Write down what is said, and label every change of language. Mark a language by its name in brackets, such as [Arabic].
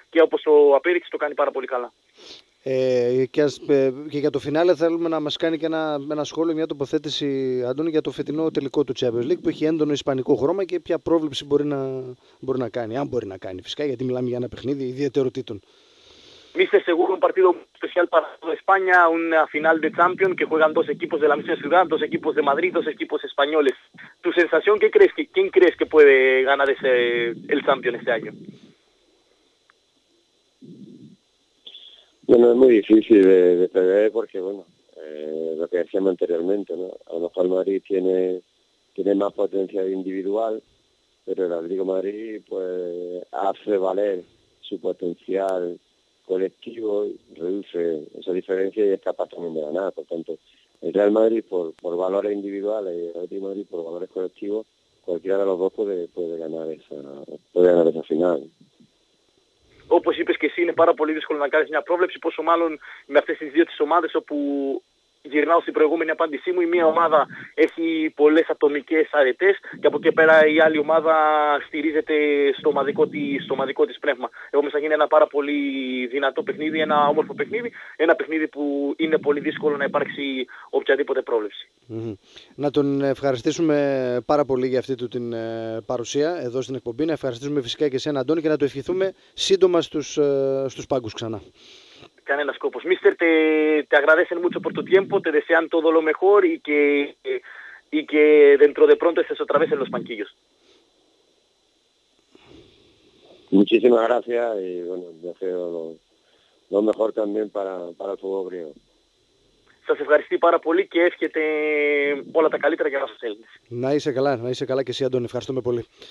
[Greek] Και όπως το απέδειξε, το κάνει πάρα πολύ καλά. Και για το φινάλε θέλουμε να μας κάνει και ένα σχόλιο, μια τοποθέτηση, Αντώνη, για το φετινό τελικό του Champions League που έχει έντονο ισπανικό χρώμα και ποια πρόβλεψη μπορεί να κάνει, αν μπορεί να κάνει φυσικά, γιατί μιλάμε για ένα παιχνίδι ιδιαιτεροτήτων. Είστε σίγουροι [Spanish] partido especial para España, una final de Champions que juegan dos equipos de la misma ciudad, dos equipos de Madrid, dos equipos españoles. Tu sensación, ¿qué crees que quién crees que puede ganar ese el Champions este año? Bueno, es muy difícil de prever porque, bueno, lo que decíamos anteriormente, ¿no? A lo mejor el Madrid tiene más potencia individual, pero el Atlético Madrid, pues, hace valer su potencial colectivo, reduce esa diferencia y es capaz también de ganar. Por tanto, el Real Madrid por valores individuales y el Atlético Madrid por valores colectivos, cualquiera de los dos puede ganar esa final. [Greek] Όπως είπες και εσύ, είναι πάρα πολύ δύσκολο να κάνεις μια πρόβλεψη, πόσο μάλλον με αυτές τις δύο τις ομάδες, όπου γυρνάω στην προηγούμενη απάντησή μου, η μία ομάδα έχει πολλές ατομικές αρετές και από εκεί πέρα η άλλη ομάδα στηρίζεται στο ομαδικό της πνεύμα. Επομένως θα γίνει ένα πάρα πολύ δυνατό παιχνίδι, ένα όμορφο παιχνίδι, ένα παιχνίδι που είναι πολύ δύσκολο να υπάρξει οποιαδήποτε πρόβλεψη. Mm-hmm. Να τον ευχαριστήσουμε πάρα πολύ για αυτή του την παρουσία εδώ στην εκπομπή. Να ευχαριστήσουμε φυσικά και εσένα, Αντώνη, και να το ευχηθούμε σύντομα στους πάγκους ξανά. Κανένα σκόπο. [Spanish] Μίστερ, te agradecen mucho por tu tiempo, te desean todo lo mejor y que dentro de pronto estés otra vez en los banquillos. Muchísimas gracias y bueno, deseo lo mejor también para el fútbol griego. [Greek] Σας ευχαριστώ πάρα πολύ και εύχεται όλα τα καλύτερα για όσους Έλληνες. Να είσαι καλά και εσύ, Αντώνη. Ευχαριστούμε πολύ.